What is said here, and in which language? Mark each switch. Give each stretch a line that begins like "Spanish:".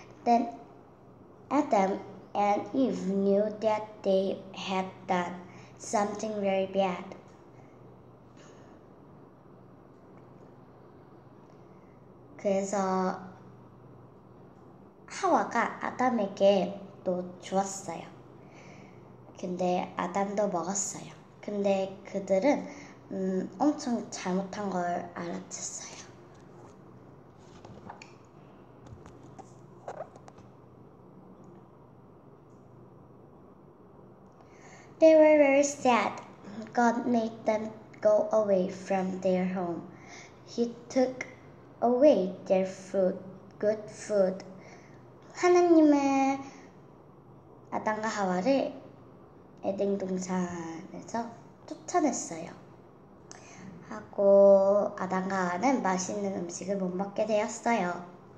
English: Then Adam and Eve knew that they had done something very bad.
Korean: 그래서 하와가 아담에게 또 주었어요. 근데 아담도 먹었어요. 근데 그들은 엄청 잘못한 걸 알았었어요.
English: They were very sad. God made them go away from their home. He took away their food, good food.
Korean: 하나님은 아담과 하와를 에덴 동산에서 쫓아냈어요. 하고 아담과 하와는 맛있는 음식을 못 먹게 되었어요.